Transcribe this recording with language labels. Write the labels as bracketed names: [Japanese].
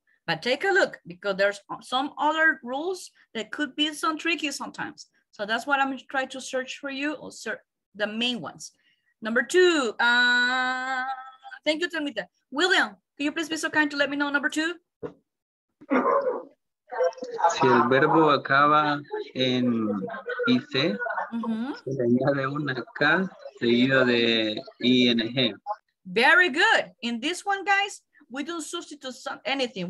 [English] But take a look because there's some other rules that could be some tricky sometimes. So that's what I'm trying to search for you, or search the main ones. Number two, thank you, Thelmita. William, can you please be so kind to let me know number two? [Spanish] Si el verbo acaba en IC, se añade una K seguido de ING. [English] Very good. In this one, guys, we don't substitute anything.